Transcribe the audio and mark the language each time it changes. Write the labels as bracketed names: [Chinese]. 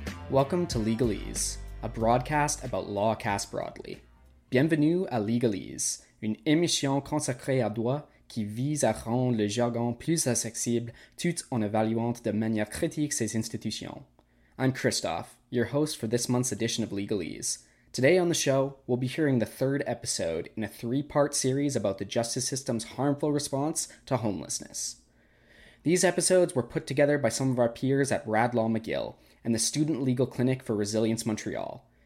[English] Welcome to Legalese, a broadcast about law cast broadly. [French] Bienvenue à Legalese, une émission consacrée à droit qui vise à rendre le jargon plus accessible tout en évaluant de manière critique ses institutions. [English] I'm Christoph, your host for this month's edition of Legalese. Today on the show, we'll be hearing the third episode in a three-part series about the justice system's harmful response to homelessness. These episodes were put together by some of our peers at Radlaw McGill and the Student Legal Clinic for Resilience Montreal.